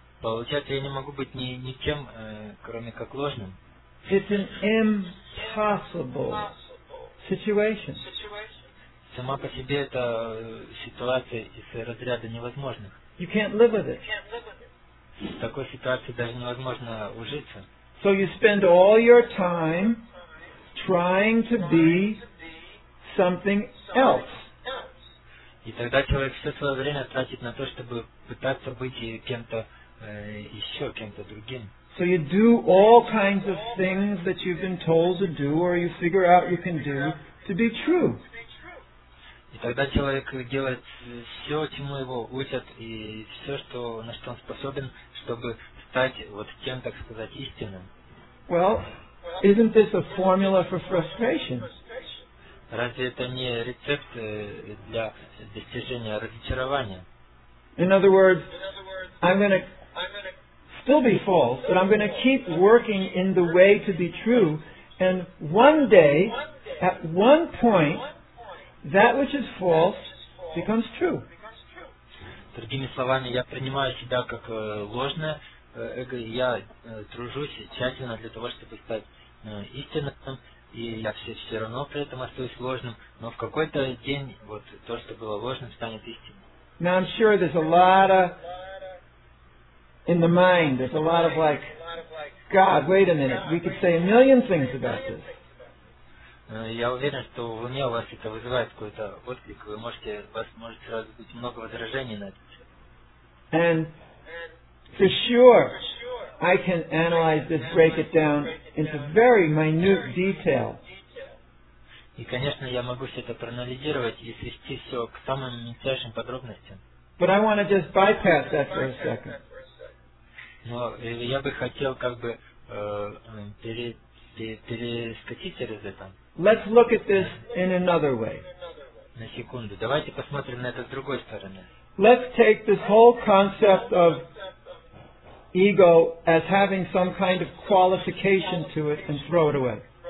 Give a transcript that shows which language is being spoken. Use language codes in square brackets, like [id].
[ru] Получается, я не могу быть ни кем, кроме как ложным. [en] It's an impossible situation. [ru] Сама по себе это ситуация из разряда невозможных. [en] You can't live with it. [ru] В такой ситуации даже невозможно ужиться. [en] So you spend all your time trying to be something else. [ru] И тогда человек все свое время тратит на то, чтобы пытаться быть кем-то еще, кем-то другим. [en] So you do all kinds of things that you've been told to do or you figure out you can do to be true. [ru] И тогда человек делает все, чему его учат, и все, что, на что он способен, чтобы стать вот тем, так сказать, истинным. [en] Well, isn't this a formula for frustration? [ru] Разве это не рецепт для достижения разочарования? [en] In other words, I'm going to still be false, but I'm going to keep working in the way to be true, and one day, at one point, that which is false becomes true. [ru] Другими словами, я принимаю себя как ложное эго, и я тружусь тщательно для того, чтобы стать истинным, и я все равно при этом остаюсь ложным, но в какой-то день вот то, что было ложным, станет истинным. [en] Now I'm sure there's a lot of in the mind, there's a lot of like, God, wait a minute, we could say a million things about this. [ru] Я уверен, что в уме у вас это вызывает какой-то отклик. Вы можете, у вас может сразу быть много возражений на это. [en] And for sure, I can analyze this, break it down into very minute detail. [ru] И, конечно, я могу все это проанализировать и свести все к самым мельчайшим подробностям. [en] But I want to just bypass that for a second. [ru] Но я бы хотел как бы перескочить через это. [en] Let's look at this in another way. [ru] На секунду. Давайте посмотрим на это с другой стороны. [en] Let's take this whole concept of ego as having some kind of qualification to it and throw it away.